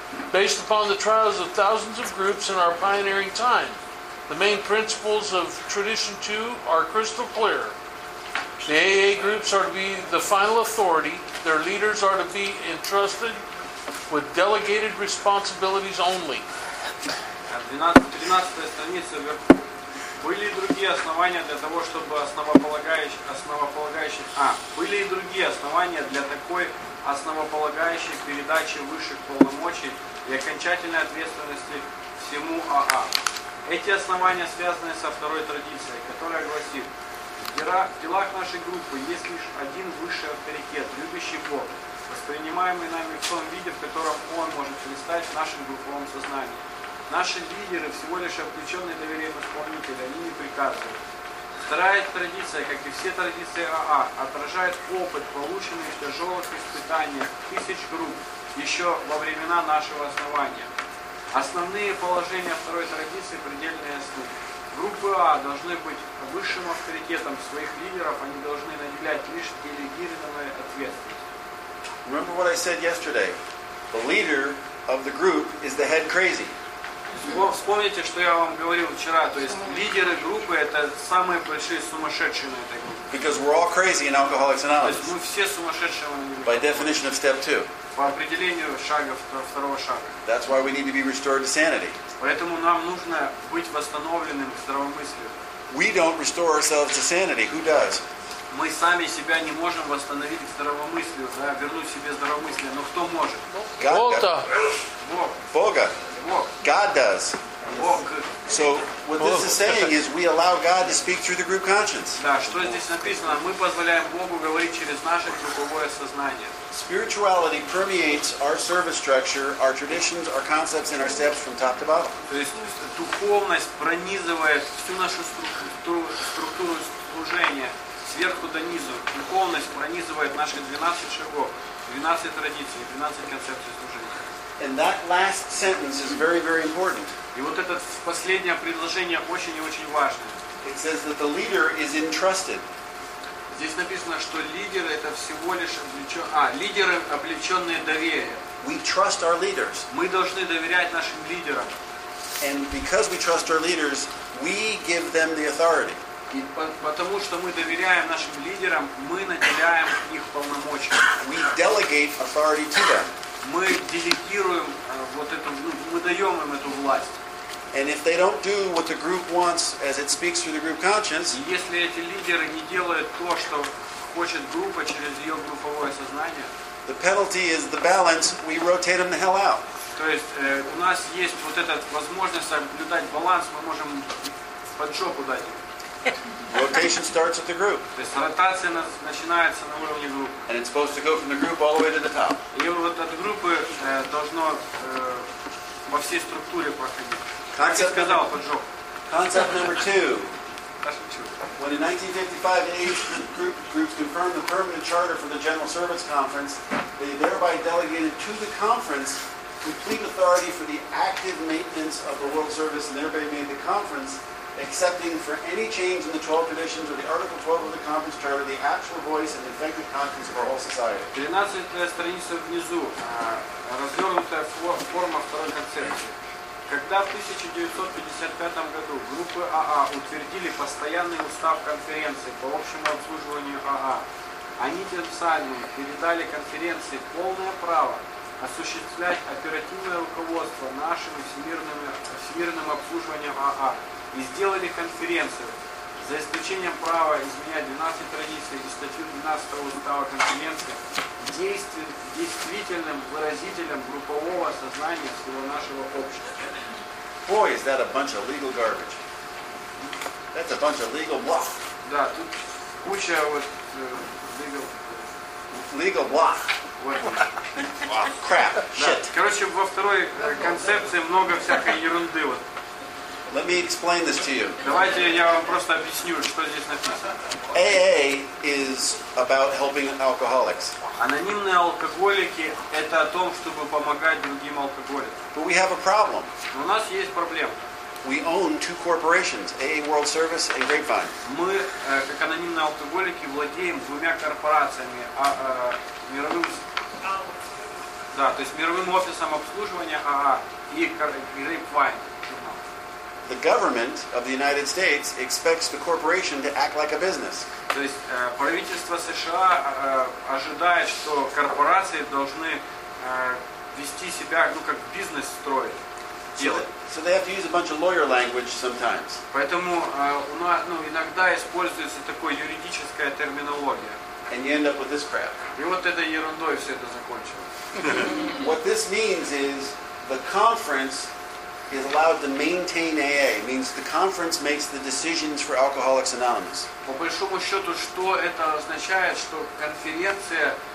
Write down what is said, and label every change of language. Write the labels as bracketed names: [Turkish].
[English] Based upon the trials of thousands of groups in our pioneering time, the main principles of Tradition 2 are crystal clear. The AA groups are to be the final authority. Their leaders are to be entrusted with delegated responsibilities only. [Russian] 12-я страница. Были и другие основания для того, чтобы были и другие основания для такой основополагающей передачи высших полномочий и окончательной ответственности всему АА. Эти основания связаны со второй традицией, которая гласит, в делах нашей группы есть лишь один высший авторитет, любящий Бог, воспринимаемый нами в том виде, в котором Он может предстать в нашем духовном сознании. Наши лидеры всего лишь облеченные доверием исполнителя, они не приказывают. Вторая традиция, как и все традиции АА, отражает опыт, полученный в тяжелых испытаниях тысяч групп еще во времена нашего основания. Основные положения второй традиции предельно ясны. Группы АА должны быть высшим авторитетом своих лидеров, они должны наделять лишь делегированную ответственность. [English] Remember what I said yesterday? The leader of the group is the head crazy. [Russian] Вспомните, что я вам говорил вчера, то есть лидеры группы это самые большие сумасшедшие на этой группе. [English] Because we're all crazy in Alcoholics Anonymous. [Russian] То есть мы все сумасшедшие в анонимных. [English] By definition of step two. [Russian] По определению шагов второго шага. [English] That's why we need to be restored to sanity. [Russian] Поэтому нам нужно быть восстановленным в здравомыслии. [English] We don't restore ourselves to sanity. Who does? [Russian] Мы сами себя не можем восстановить в здравомыслии, да, вернуть себе здравомыслие, но кто может? Бог-то. Бог. Бога. [English] God does. So what this is saying is we allow God to speak through the group conscience. [Russian] Да, что здесь написано? Мы позволяем Богу говорить через наше групповое сознание. [English] Spirituality permeates our service structure, our traditions, our concepts, and our steps from top to bottom. [Russian] То есть духовность пронизывает всю нашу структуру служения сверху до низу. Духовность пронизывает наши 12 шагов, 12 традиций, 12 концепций служения. [English] And that last sentence is very, very important. [Russian] И вот это последнее предложение очень и очень важно. [English] It says that the leader is entrusted. [Russian] Здесь написано, что лидеры это всего лишь лидеры облеченные доверие. [English] We trust our leaders. [Russian] Мы должны доверять нашим лидерам. [English] And because we trust our leaders, we give them the authority. [Russian] И потому что мы доверяем нашим лидерам, мы наделяем их полномочиями. [English] We delegate authority to them. [Russian] Мы делегируем вот эту, мы даем им эту власть. [English] And if they don't do what the group wants, as it speaks through the group conscience, [Russian] если эти лидеры не делают то, что хочет группа через ее групповое сознание, [English] the penalty is the balance. We rotate them the hell out. [Russian] То есть у нас есть вот эта возможность соблюдать баланс, мы можем под жопу дать. [English] Rotation starts at the group. [Russian] То есть ротация начинается на уровне группы. [English] And it's supposed to go from the group all the way to the top. [Russian] И вот от группы должно во всей структуре проходить. Как я сказал, поджог. [English] Concept number two. When in 1955 age groups confirmed the permanent charter for the General Service Conference, they thereby delegated to the conference complete authority for the active maintenance of the World Service and thereby made the conference accepting for any change in the 12 traditions or the Article 12 of the conference charter the actual voice and effective conscience of our whole society. [Russian] 13 страница внизу. Развернутая форма второй концепции. Когда в 1955 году группы АА утвердили постоянный устав конференции по общему обслуживанию АА, они тем самым передали конференции полное право осуществлять оперативное руководство нашим всемирным обслуживанием АА и сделали конференцию, за исключением права изменять 12 традиций и статью 12 устава конференции, действительным выразителем группового сознания всего нашего общества. [English] Boy, is that a bunch of legal garbage. That's a bunch of legal blah. [Russian] Да, тут куча вот legal... [English] Legal blah. [Russian] Вот. [English] Crap, shit. [Russian] Да. Короче, во второй концепции много всякой ерунды. Вот. [English] Let me explain this to you. [Russian] Давайте я вам просто объясню, что здесь написано. [English] AA is about helping alcoholics. [Russian] Анонимные алкоголики – это о том, чтобы помогать другим алкоголикам. [English] But we have a problem. [Russian] Но у нас есть проблема. [English] We own two corporations, AA World Service and Grapevine. [Russian] Мы, как анонимные алкоголики, владеем двумя корпорациями, мировым офисом обслуживания АА и Grapevine. [English] The government of the United States expects the corporation to act like a business. [Russian] То есть правительство США ожидает, что корпорации должны вести себя, ну как бизнес строить. [English] So they have to use a bunch of lawyer language sometimes. [Russian] Поэтому у нас, ну, иногда используется такой юридическая терминология. [English] And you end up with this crap. [Russian] И вот этой ерундой все это закончилось. [English] What this means is the conference is allowed to maintain AA, means the conference makes the decisions for Alcoholics Anonymous. [Russian] По большому счету, что это означает, что конференция...